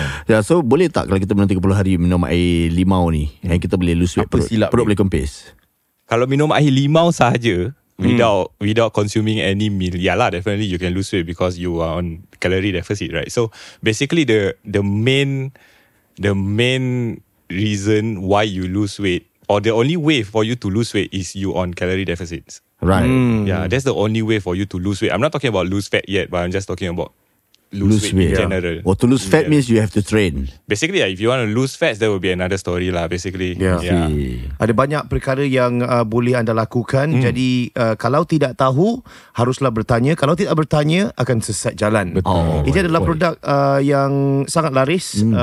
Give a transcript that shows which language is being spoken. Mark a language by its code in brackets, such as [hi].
[ms] Yeah, so boleh tak kalau kita minum 30 hari minum air limau ni, yang kita boleh [en] lose weight, [ms] perut boleh kempis? Kalau minum air limau sahaja [en] without consuming any meal, yeah lah, definitely you can lose weight because you are on calorie deficit, right? So basically the main reason why you lose weight, or the only way for you to lose weight, is you on calorie deficits, right? Yeah, that's the only way for you to lose weight. I'm not talking about lose fat yet, but I'm just talking about lose weight in general. Well, to lose fat means you have to train. Basically, if you want to lose fat, there will be another story lah, basically. [ms] Ada banyak perkara yang boleh anda lakukan. Jadi, kalau tidak tahu, haruslah bertanya. Kalau tidak bertanya, akan sesat jalan. Betul. Ini adalah produk yang sangat laris.